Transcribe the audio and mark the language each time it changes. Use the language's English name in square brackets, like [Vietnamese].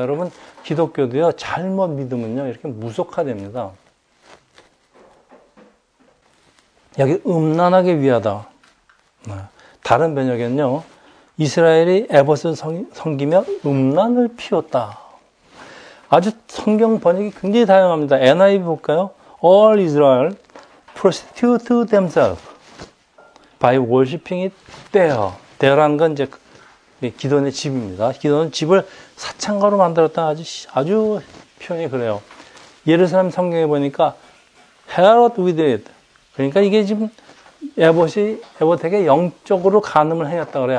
[Korean] 여러분, 기독교도요, 잘못 믿으면요, 이렇게 무속화됩니다. 여기 음란하게 위하다. 다른 변역에는요, 이스라엘이 에봇을 섬기며 음란을 피웠다. 아주 성경 번역이 굉장히 다양합니다. NIV 볼까요? [English] All Israel prostitute themselves by worshipping it there. [Korean] There란 건 이제 기드온의 집입니다. 기드온은 집을 사창가로 만들었다. 아주 표현이 그래요. 예루살렘 성경에 보니까 [English] Herod with it. [Korean] 그러니까 이게 지금 에봇에게 영적으로 간음을 행했다 그래요.